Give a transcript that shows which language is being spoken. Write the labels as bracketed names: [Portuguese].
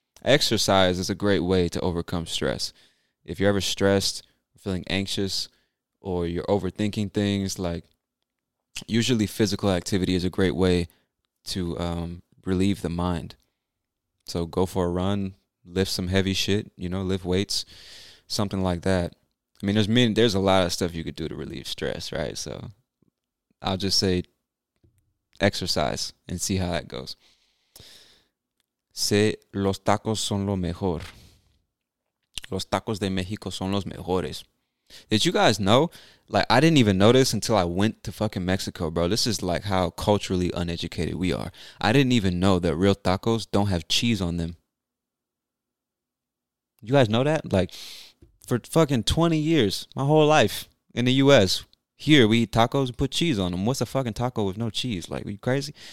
[English] Exercise is a great way to overcome stress. If you're ever stressed, feeling anxious, or you're overthinking things, like usually physical activity is a great way to relieve the mind. So go for a run, lift some heavy shit, you know, lift weights, something like that. I mean, there's a lot of stuff you could do to relieve stress, right? So I'll just say exercise and see how that goes. [Spanish] Se los tacos son lo mejor. Los tacos de México son los mejores. [English] Did you guys know? Like, I didn't even notice until I went to fucking Mexico, bro. This is like how culturally uneducated we are. I didn't even know that real tacos don't have cheese on them. You guys know that? Like, for fucking 20 years, my whole life in the U.S., here we eat tacos and put cheese on them. What's a fucking taco with no cheese? Like, are you crazy?